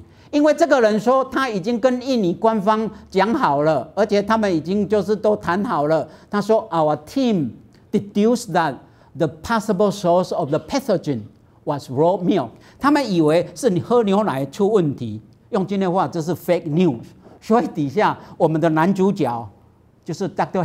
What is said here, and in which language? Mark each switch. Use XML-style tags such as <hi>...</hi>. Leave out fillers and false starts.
<zh>因为这个人说他已经跟印尼官方讲好了，而且他们已经就是都谈好了。他说</zh> <en>,Our team deduced that,The possible source of the pathogen was raw milk.</en> <zh>他们以为是你喝牛奶出问题，用今天的话这是 fake news. 所以底下我们的男主角就是 Dr.</zh>